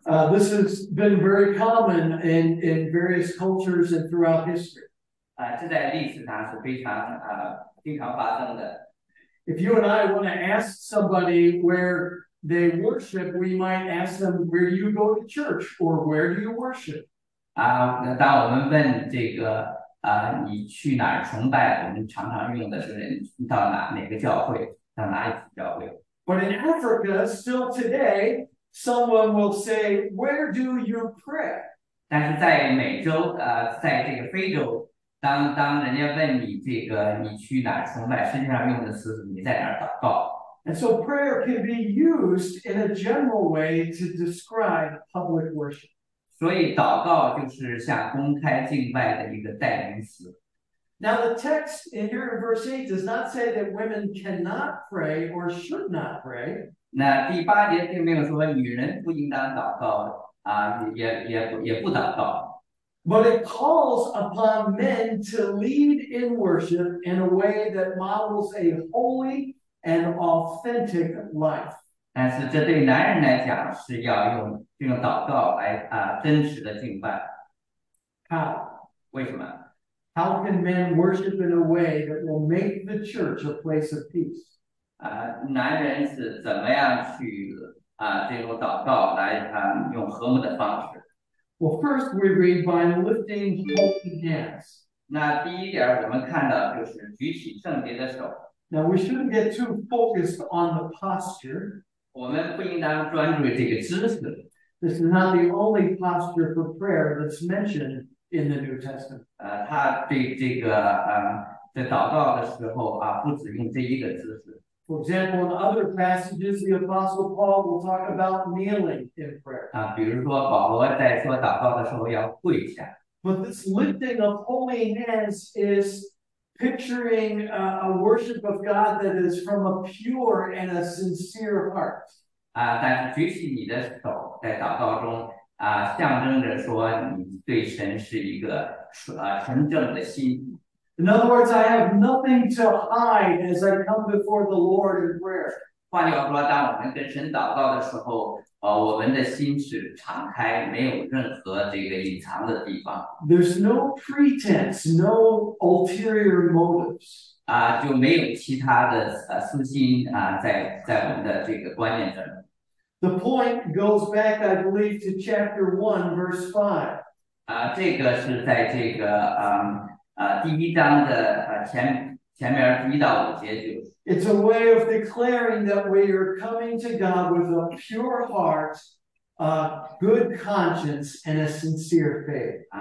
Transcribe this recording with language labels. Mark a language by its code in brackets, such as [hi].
[en] This has been very common in various cultures and throughout history. [zh] 这在历史上是非常经常发生的。 [en] If you and I want to ask somebody where they worship, we might ask them, where do you go to church or where do you worship? [zh] 那当我们问这个你去哪儿崇拜？我们常常用的是你到哪个教会？到哪里教会？ [en] But in Africa, still today, someone will say, where do you pray? [zh] 但是在美洲，在这个非洲，当人家问你这个你去哪儿崇拜，实际上用的是你在哪儿祷告。 [en] And so prayer can be used in a general way to describe public worship. [zh] 所以祷告就是向公开敬拜的一个代名词。 [en] Now, the text in here in verse 8 does not say that women cannot pray or should not pray. [zh] 那第八节并没有说女人不应当祷告也不祷告。 [en] But it calls upon men to lead in worship in a way that models a holy, an authentic life. [zh] 但是这对男人来讲是要用这种祷告来真实的敬拜。 [en] How? [zh] 为什么？ [en] How can men worship in a way that will make the church a place of peace? [zh] 男人是怎么样去这种祷告来用和睦的方式？ [en] Well, first we read by lifting holy hands. [zh] 那第一点我们看到就是举起圣洁的手。 [en] Now, we shouldn't get too focused on the posture. [zh] 我们不应当专注于这个姿势。 [en] This is not the only posture for prayer that's mentioned in the New Testament. [zh] 他对这个在祷告的时候不止用这一个姿势。 [en] For example, in other passages, the Apostle Paul will talk about kneeling in prayer. [zh] 比如说保罗在说祷告的时候要跪下。 [en] But this lifting of holy hands is picturing a worship of God that is from a pure and a sincere heart. [zh] 但是举起你的手，在祷告中象征着说你对神是一个纯正的心。 [en] In other words, I have nothing to hide as I come before the Lord in prayer. [zh] 换句话说，当我们跟神祷告的时候，我们的心是敞开，没有任何这个隐藏的地方。 [en] There's no pretense, no ulterior motives. [zh] 就没有其他的私心在我们的这个观念中。 [en] The point goes back, I believe, to chapter 1, verse 5. [zh] 这个是在这个第一章的前面1到5节就是。 [en] It's a way of declaring that we are coming to God with a pure heart, a good conscience, and a sincere faith.